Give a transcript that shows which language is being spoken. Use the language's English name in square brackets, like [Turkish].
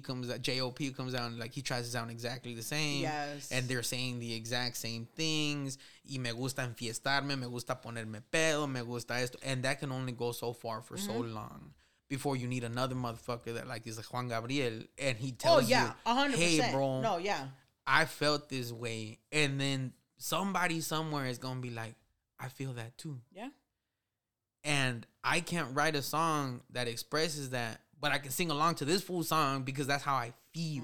[English] comes out and like he tries to sound exactly the same. Yes. And they're saying the exact same things. [Spanish] Y me gusta enfiestarme, me gusta ponerme pedo, me gusta esto. [English] And that can only go so far for so long. Before you need another motherfucker that like is a Juan Gabriel and he tells you, 100%. Hey, bro, no, yeah, I felt this way. And then somebody somewhere is going to be like, I feel that too. Yeah. And I can't write a song that expresses that, but I can sing along to this full song because that's how I feel.